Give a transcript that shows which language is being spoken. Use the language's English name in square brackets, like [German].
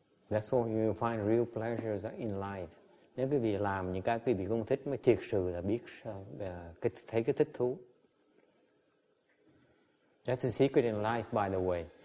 [English] That's when you find real pleasures in life. [Vietnamese] Nếu quý vị làm những cái quý vị không thích mới thiệt sự là biết thấy cái thích thú. [English] That's the secret in life, by the way.